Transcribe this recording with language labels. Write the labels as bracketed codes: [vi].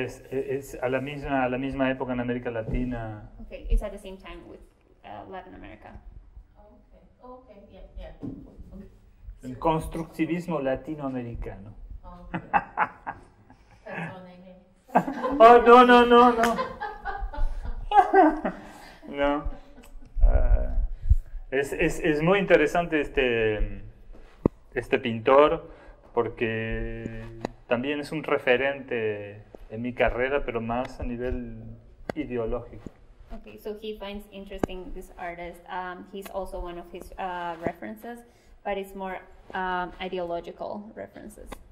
[es] Es a la misma época en América Latina. [en] Okay, it's at the same time with Latin America. Okay, yeah. [es] El constructivismo latinoamericano. [en] Okay. [es] Perdón, ¿eh? No. Es muy interesante este pintor porque también es un referente en mi carrera, pero más a nivel ideológico. [en] Okay, so he finds interesting this artist. He's also one of his references, but it's more ideological references.